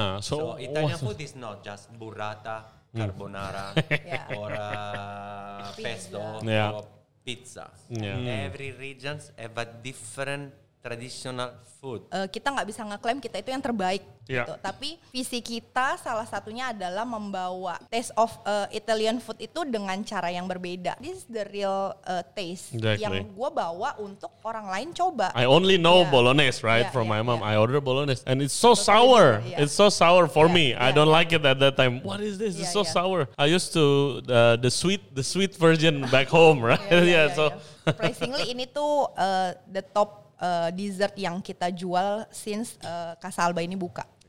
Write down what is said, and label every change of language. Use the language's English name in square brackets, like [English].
[English] So Italian food is not just burrata, carbonara, or pesto, or pizza. Yeah. Every region have a different traditional food. [Indonesian] Kita nggak bisa ngeklaim kita itu yang terbaik. Yeah. Gitu. Tapi visi kita salah satunya adalah membawa [English] taste of Italian food [Indonesian] itu dengan cara yang berbeda. [English] This is the real taste [Indonesian] yang gue bawa untuk orang lain coba. [English] I only know bolognese, right? Yeah, from my mom. Yeah. I order bolognese and it's so sour. Yeah. It's so sour for me. Yeah. I don't like it at that time. What is this? It's so sour. I used to the sweet version back home, right? So [Indonesian] surprisingly ini tuh [English] the top dessert [Indonesian] yang kita jual since Casa Alba ini buka.